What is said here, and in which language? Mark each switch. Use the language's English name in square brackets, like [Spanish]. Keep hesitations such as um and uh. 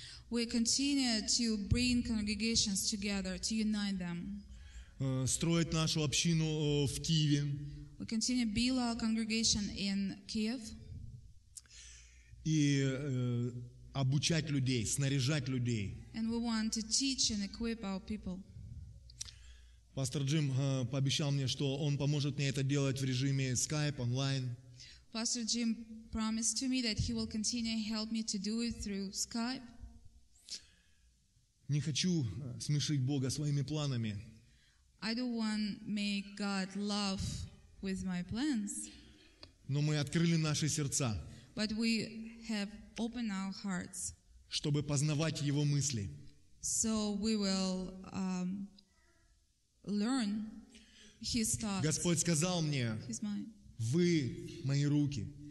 [English] We continue to bring congregations together, to unite them. [Russian] Строить нашу общину в Киеве. [English] We continue to build our congregation in Kiev. [Russian] И обучать людей, снаряжать людей. [English] And we want to teach and equip our people. [Russian] Пастор Джим пообещал мне, что он поможет мне это делать в режиме Skype, онлайн. [English] Pastor Jim promised to me that he will continue help me to do it through Skype. [Russian] Не хочу смешить Бога своими планами. [English] I don't want make God laugh with my plans. [Russian] Но мы открыли наши сердца. [English] But we have opened our hearts. [Russian] Чтобы познавать Его мысли. [English] So we will um, learn His thoughts. [Russian] Господь сказал мне. [English] His mind. [Russian] Вы мои руки.